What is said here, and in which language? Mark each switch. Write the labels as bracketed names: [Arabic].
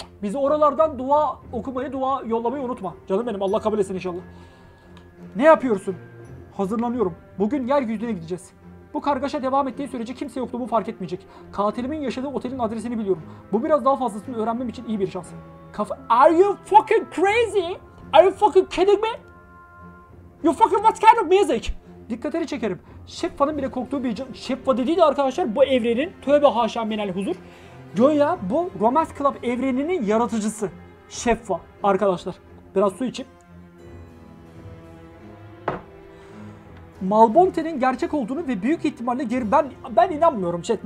[Turkish] Bizi oralardan dua okumayı, dua yollamayı unutma. Canım benim Allah kabul etsin inşallah. Ne yapıyorsun? Hazırlanıyorum. Bugün yeryüzüne gideceğiz. Bu kargaşa devam ettiği sürece kimse yokluğumu fark etmeyecek. Katilimin yaşadığı otelin adresini biliyorum. Bu biraz daha fazlasını öğrenmem için iyi bir şans. [English] Are you fucking crazy? Are you fucking kidding me? You fucking what kind of music? [Turkish] Dikkatini çekerim. Şeffa'nın bile korktuğu bir can... Şeffa dediği de arkadaşlar bu evrenin... Tövbe haşa minel huzur. Goya bu Romance Club evreninin yaratıcısı. Şeffa. Arkadaşlar. Biraz su içip. Malbonte'nin gerçek olduğunu ve büyük ihtimalle geri... Ben inanmıyorum chat.